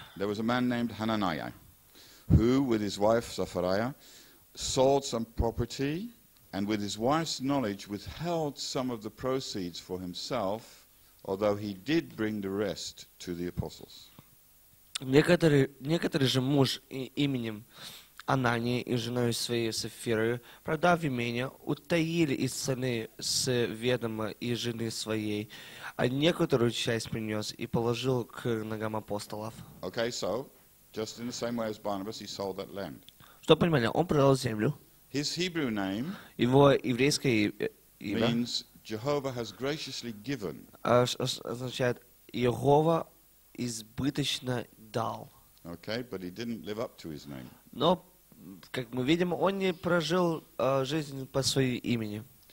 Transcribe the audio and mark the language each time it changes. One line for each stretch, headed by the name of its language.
English: There was a man named Hananiah, who, with his wife Sapphira, sold some property, and with his wife's knowledge withheld some of the proceeds for himself, although he did bring the rest to the apostles.
Russian: Некоторый же муж именем Анания и женой своей Сапфирой, продав имение, утаили из цены с ведома и жены своей, а некоторую часть принес и положил к ногам апостолов.
English: Okay, so, just in the same way as Barnabas, he sold that land.
Russian: Что понимали? Он продал землю.
English: His Hebrew name
Russian: его еврейское имя
English: means Jehovah has graciously given.
Russian: Означает, Иегова избыточно дал.
English: Okay, but he didn't live up to his name.
Russian: Но, как мы видим, он не прожил жизнь по своему имени.